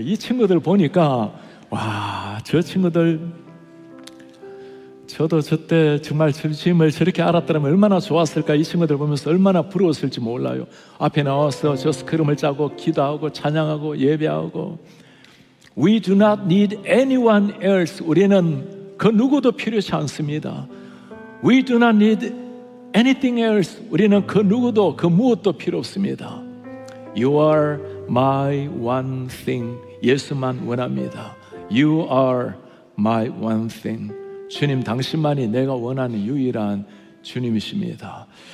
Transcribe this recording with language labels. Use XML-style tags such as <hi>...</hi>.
<ko>이 친구들 보니까 와 저 친구들, 저도 저때 정말 주님을 저렇게 알았더라면 얼마나 좋았을까, 이 친구들 보면서 얼마나 부러웠을지 몰라요. 앞에 나와서 저 스크림을 짜고 기도하고 찬양하고 예배하고,</ko> <en>We do not need anyone else.</en> <ko>우리는 그 누구도 필요치 않습니다. We do not need anything else. 우리는 그 누구도 그 무엇도 필요 없습니다.</ko> <en>You are my one thing.</en> <ko>예수만 원합니다.</ko> <en>You are my one thing.</en> <ko>주님 당신만이 내가 원하는 유일한 주님이십니다.</ko>